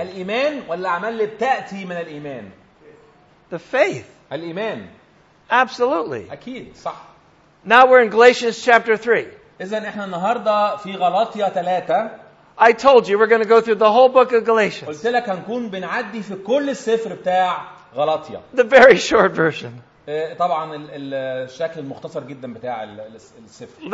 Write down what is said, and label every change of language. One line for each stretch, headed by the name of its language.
Arabic: الإيمان ولا الأعمال اللي بتأتي من الإيمان?
English: The faith.
Arabic: الإيمان.
English: Absolutely.
Arabic: أكيد صح.
English: Now we're in Galatians chapter 3.
Arabic: إذن إحنا النهاردة في غلاطية 3.
English: I told you we're going to go through the whole book of Galatians.
Arabic: قلت لك هنكون بنعدي في كل السفر بتاع غلاطية.
English: The very short version.
Arabic: طبعا الشكل المختصر جدا بتاع السفر.